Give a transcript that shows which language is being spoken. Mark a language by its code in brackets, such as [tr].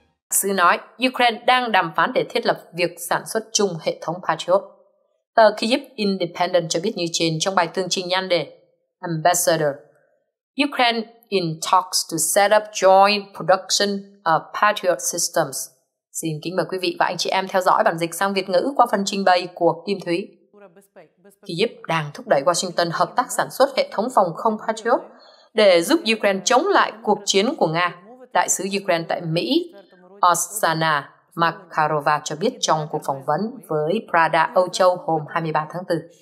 [vi] Sư nói, Ukraine đang đàm phán để thiết lập việc sản xuất chung hệ thống Patriot. Tờ Kyiv Independent cho biết như trên trong bài tường trình nhan đề Ambassador. [en] Ukraine in talks to set up joint production of Patriot systems. [vi] Xin kính mời quý vị và anh chị em theo dõi bản dịch sang Việt ngữ qua phần trình bày của Kim Thúy. Kyiv đang thúc đẩy Washington hợp tác sản xuất hệ thống phòng không Patriot để giúp Ukraine chống lại cuộc chiến của Nga. Đại sứ Ukraine tại Mỹ, Oksana Makarova cho biết trong cuộc phỏng vấn với Prada Âu Châu hôm 23 tháng 4.